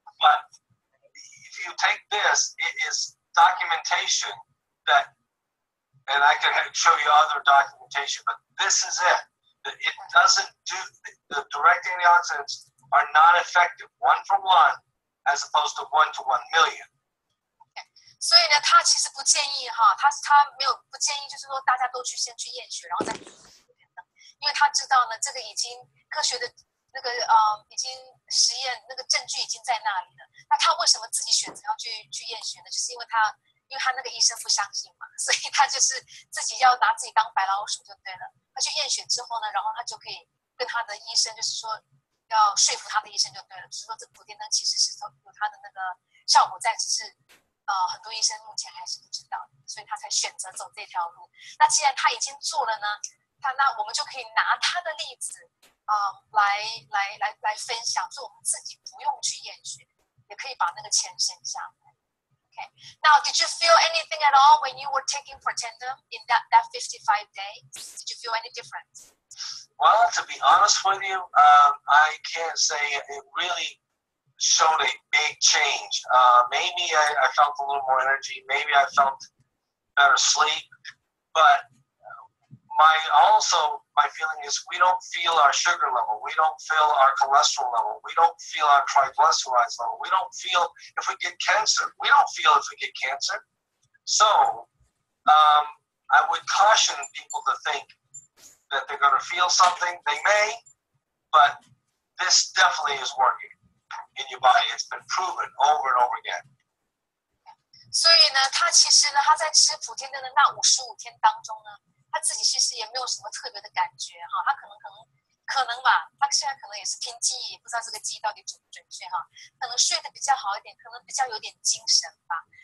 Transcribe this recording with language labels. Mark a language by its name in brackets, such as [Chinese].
[English] But if you take this, it is documentation that, and I can show you other documentation, but this is it. It doesn't do, the direct antioxidants are not effective, one for one, as opposed to one to 1 million. Okay. [Chinese] 所以呢，他其实不建议哈，他没有不建议，就是说大家都去先去验血，然后再因为他知道呢，这个已经科学的那个已经实验那个证据已经在那里了。那他为什么自己选择要去验血呢？就是因为他那个医生不相信嘛，所以他就是自己要拿自己当白老鼠就对了。他去验血之后呢，然后他就可以跟他的医生，就是说要说服他的医生就对了，就是说这普天灯其实是有他的那个效果在，只是很多医生目前还是不知道，所以他才选择走这条路。那既然他已经做了呢，那我们就可以拿他的例子来分享，说我们自己不用去验血，也可以把那个钱省下。 Okay. [English] Now, did you feel anything at all when you were taking Protandim in that 55 days? Did you feel any difference? Well, to be honest with you, I can't say it really showed a big change. Maybe I felt a little more energy. Maybe I felt better sleep. But my feeling is we don't feel our sugar level. We don't feel our cholesterol level. We don't feel our triglycerides level. We don't feel if we get cancer. We don't feel if we get cancer. So I would caution people to think that they're going to feel something. They may, but this definitely is working in your body. It's been proven over and over again. [Chinese] 所以呢，他其实呢，他在吃普天灯的那55天当中呢，他自己其实也没有什么特别的感觉哈，他可能吧，他现在可能也是凭记忆，不知道这个记忆到底准不准确哈，可能睡得比较好一点，可能比较有点精神吧。